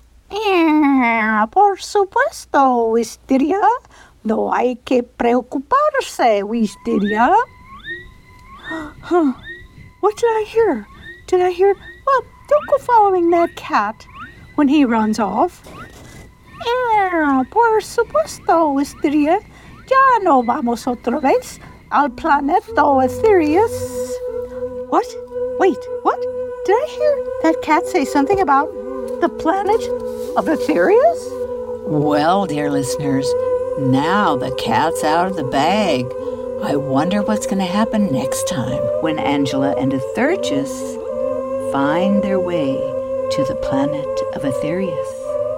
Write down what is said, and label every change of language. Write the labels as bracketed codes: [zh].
[es] Yeah, por supuesto, Wisteria. No hay que preocuparse, Wisteria. [en] Huh. What did I hear? Did I hear? Well, don't go following that cat when he runs off. [es] Yeah, por supuesto, Wisteria. Ya no vamos otra vez al planeta Aetherius. [en] What? Wait, what? Did I hear that cat say something about the planet of Aetherius? Well, dear listeners, now the cat's out of the bag. I wonder what's going to happen next time when Angela and Aetherius find their way to the planet of Aetherius.